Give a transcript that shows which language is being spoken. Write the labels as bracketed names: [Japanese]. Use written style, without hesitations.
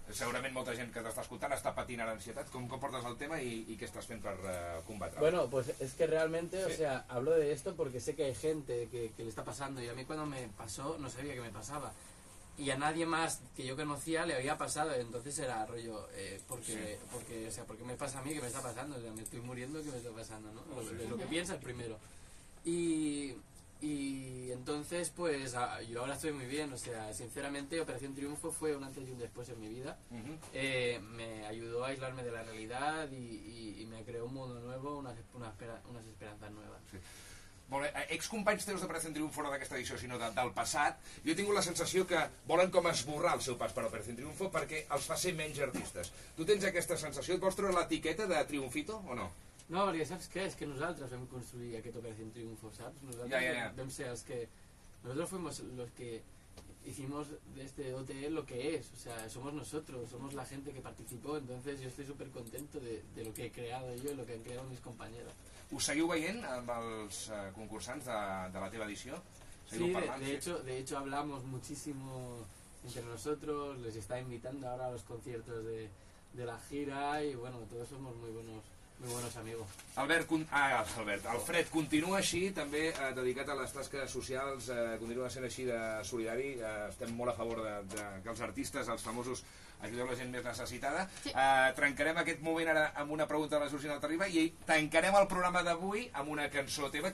[Catalan] Segurament molta gent que t'està escoltant està patint ara ansietat. Com portes el tema i què estàs fent per combatre? [Spanish] Bueno, pues es que realmente, sí. O sea, hablo de esto porque sé que hay gente que le está pasando y a mí cuando me pasó no sabía que me pasaba. Y a nadie más que yo conocía le había pasado, entonces era rollo, porque me pasa a mí, que me está pasando, o sea, me estoy muriendo, que me está pasando, ¿no? Lo que piensas primero. Y entonces, pues, yo ahora estoy muy bien, o sea, sinceramente, Operación Triunfo fue un antes y un después en mi vida. Uh-huh. Me ayudó a aislarme de la realidad y me creó un mundo nuevo, unas esperanzas nuevas. Sí. [Catalan] Molt bé, excompanys teus d'Operación Triunfo, no d'aquesta edició, sinó del passat, jo he tingut la sensació que volen com esborrar el seu pas per Operación Triunfo perquè els fa ser menys artistes. Tu tens aquesta sensació? Et vols treure l'etiqueta de Triunfito o no? No, perquè saps què? És que nosaltres vam construir aquest Operación Triunfo, saps? Nosaltres vam ser els que... [Spanish] Nosaltres fuimos los que hicimos de este OTE lo que es. O sea, somos nosotros, somos la gente que participó. Entonces yo estoy súper contento de lo que he creado yo y lo que han creado mis compañeros. [Catalan] ¿Ho seguiu veient amb els concursants de la teva edició? [Spanish] Sí, de hecho hablamos muchísimo entre nosotros, les está invitando ahora a los conciertos de la gira y bueno, todos somos muy buenos amigos. [Catalan] Alfred, continua així, també dedicat a les tasques socials, continua sent així de solidari, estem molt a favor que els artistes, els famosos, ajudeu la gent més necessitada. Sí. Trencarem aquest moment ara amb una pregunta de la Georgina Altarriba i tancarem el programa d'avui amb una cançó teva.